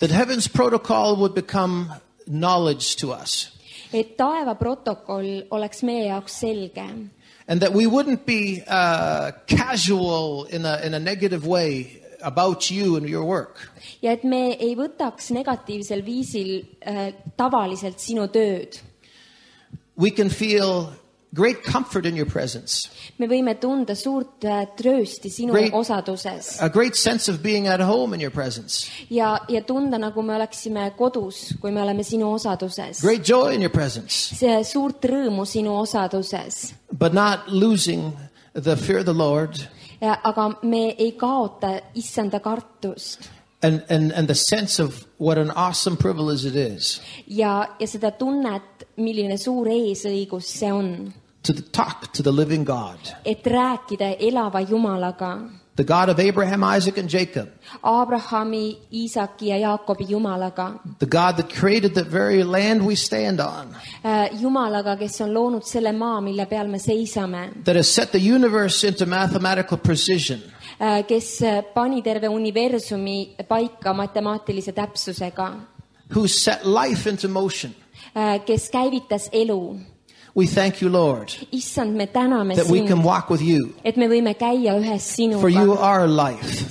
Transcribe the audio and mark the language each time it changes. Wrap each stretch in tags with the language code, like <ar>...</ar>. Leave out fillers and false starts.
<en>That heaven's protocol would become knowledge to us.</en> <et>Et taeva protokoll oleks meie jaoks selge.</et> <en>And that we wouldn't be casual in a negative way about you and your work.</en> <et>Ja et me ei võtaks negatiivsel viisil tavaliselt sinu tööd.</et> <en>We can feel great comfort in your presence.</en> <et>Me võime tunda suurt trösti sinu osaduses.</et> <en>A great sense of being at home in your presence.</en> <et>Ja tunda nagu me oleksime kodus, kui me oleme sinu osaduses.</et> <en>Great joy in your presence.</en> <et>See suurt rõõmu sinu osaduses.</et> <en>But not losing the fear of the Lord.</en> <et>Ja aga me ei kaota issanda kartust.</et> <en>And the sense of what an awesome privilege it is.</en> <et>Ja seda tunnet, milline suur eesõigus see on.</et> <en>To talk to the living God.</en> <et>Et rääkida elava Jumalaga.</et> <en>The God of Abraham, Isaac and Jacob.</en> <et>Abrahami, Iisaki ja Jaakobi Jumalaga.</et> <en>The God that created the very land we stand on.</en> <et>Jumalaga, kes on loonud selle maa, mille peal me seisame.</et> <en>That has set the universe into mathematical precision.</en> <et>Kes pani terve universumi paika matemaatilise täpsusega.</et> <en>Who set life into motion.</en> <et>Kes käivitas elu.</et> <en>We thank you, Lord,</en> <et>Issand, me täname</et> <en>that</en> <et>sind,</et> <en>we can walk with you.</en> <et>Et me võime käia ühes sinuga.</et> <en>For you are life.</en>